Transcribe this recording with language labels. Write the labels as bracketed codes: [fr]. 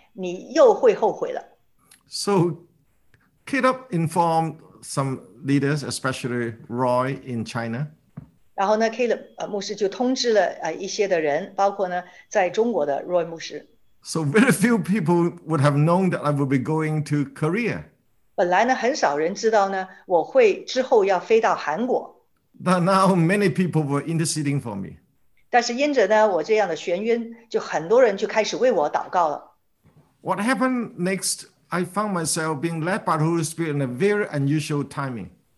[zh] 我就原来口里就在说，撒旦，你又会后悔了。 So [en] Caleb informed some leaders, especially Roy in China. [zh] 然后呢, Caleb, 牧师就通知了一些的人,包括呢,在中国的Roy牧师。 [en] So very few people would have known that I would be going to Korea. [zh] 本来呢,很少人知道呢,我会之后要飞到韩国。 But [en] now many people were interceding for me. [zh] 但是因着呢,我这样的眩晕,就很多人就开始为我祷告了。 What [en] happened next, I found myself being led by the Holy Spirit in a very unusual timing.